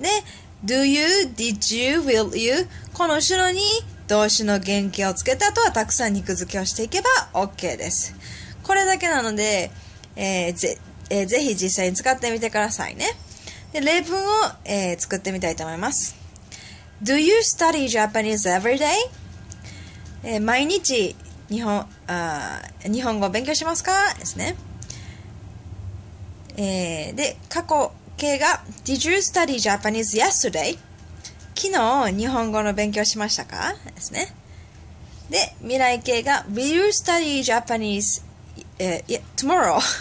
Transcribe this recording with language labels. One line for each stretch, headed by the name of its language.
English: で、Do you? Did you? Will you?
Japanese: この後ろに動詞の原型をつけて、あとはたくさん肉付けをしていけば OK です。これだけなので、ぜひ実際に使ってみてくださいね。で、例文を、作ってみたいと思います。
English: Do you study Japanese every day?
Japanese: 毎日日本語を勉強しますか? ですね。で、過去形が
English: Did you study Japanese yesterday?
Japanese: 昨日日本語の勉強しましたか? ですね。で、未来形が
English: Will you study Japanese tomorrow?